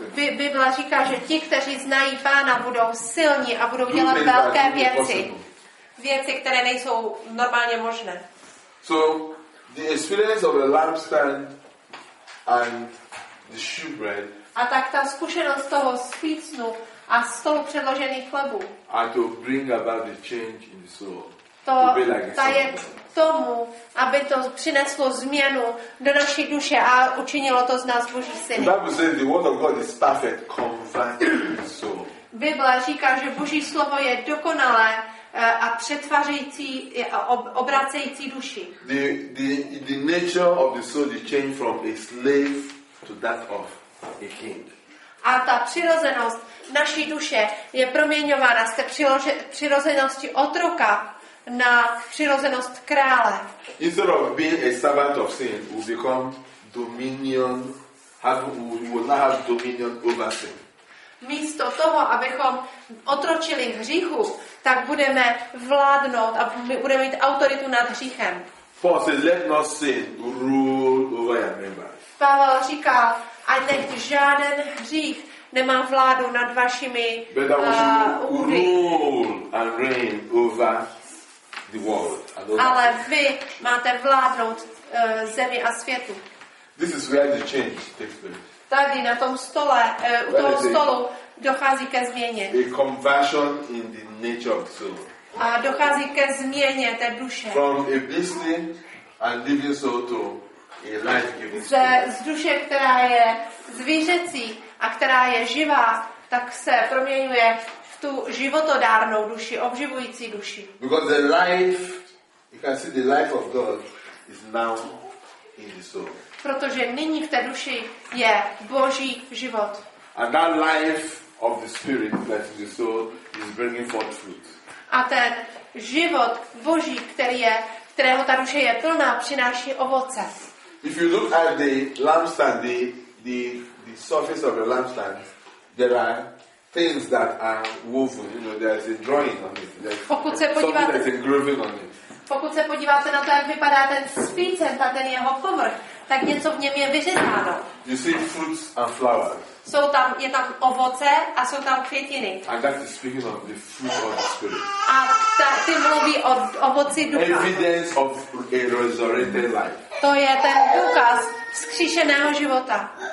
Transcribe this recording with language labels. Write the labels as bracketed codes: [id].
[cs] Bible říká, že ti, kteří znají Pána, budou silní a budou dělat velké věci. Věci, které nejsou normálně možné. [en] So the experience of a lampstand and the shewbread. [cs] A tak ta zkušenost toho svícnu a stolu předložených chlebů. [en] And to bring about the change in the soul. [cs] To je tomu, aby to přineslo změnu do naší duše a učinilo to z nás Boží syny. [en] The Bible says the word of God is perfect, converting the soul. [cs] Bible říká, že Boží slovo je dokonalé a přetvářející a obracející duši. [en] The nature of the soul is changed from a slave to that of a king. [cs] A ta přirozenost naší duše je proměňována z té přirozenosti otroka na přirozenost krále. [en] Instead of being a servant of sin, we become dominion, have dominion over sin. [cs] Místo toho, abychom otročili hříchu, tak budeme vládnout a budeme mít autoritu nad hříchem. [en] Paul said, let not sin rule over your members. [cs] Pavel říkal, A nech žáden hřích nemá vládu nad vašimi údy. [en] Rule and reign over the world. [cs] Ale vy máte vládnout zemi a světu. [en] This is where the change takes place. [cs] Tady na tom stole, u toho stolu dochází ke změně. [en] A conversion in the nature of soul. [cs] A dochází ke změně té duše. [en] From a beastly and living soul to a life-giving soul. [cs] Z duše, která je zvířecí a která je živá, tak se proměňuje v tu životodárnou duši, obživující duši. [en] Because the life, you can see the life of God is now in the soul. [cs] Protože nyní v té duši je Boží život. [en] And that life of the spirit that the soul is bringing forth fruit. [cs] A ten život Boží, který je, kterého ta duše je plná, přináší ovoce. [en] If you look at the lampstand, the surface of the lampstand, there are things that are woven. You know, there is a drawing on it. [cs] Pokud se podíváte, [en] something that is engraving on it. [cs] Pokud se podíváte na to, jak vypadá ten svícen, a ten jeho povrch, tak něco v něm je vyřezáno. [en] You see fruits and flowers. [cs] Jsou tam, je tam ovoce a jsou tam květiny. [en] And that is speaking of the fruit of the spirit. [cs] A tak ty mluví o ovoci ducha. [en] Evidence of a resurrected life. [cs] To je ten důkaz vzkříšeného života.